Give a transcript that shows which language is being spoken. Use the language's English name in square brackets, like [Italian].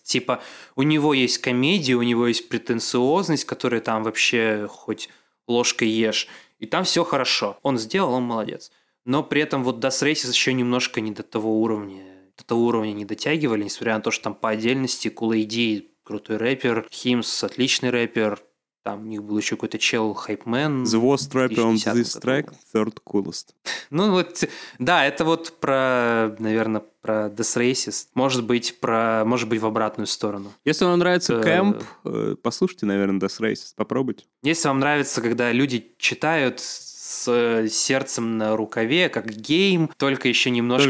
[Russian] Типа, у него есть комедия, у него есть претенциозность, которую там вообще хоть ложкой ешь. И там все хорошо. Он сделал, он молодец. Но при этом вот Das Racist еще немножко не до того уровня. До того уровня не дотягивали, несмотря на то, что там по отдельности Kool AD крутой рэпер, Himz отличный рэпер. Там у них был еще какой-то чел хайпмен. [English] The worst rapper on this track, third coolest. [Russian] Ну вот, да, это вот про, наверное, про Das Racist. Может быть, в обратную сторону. Если вам нравится кэмп, послушайте, наверное, Das Racist, попробуйте. Если вам нравится, когда люди читают с сердцем на рукаве, как гейм, только еще немножко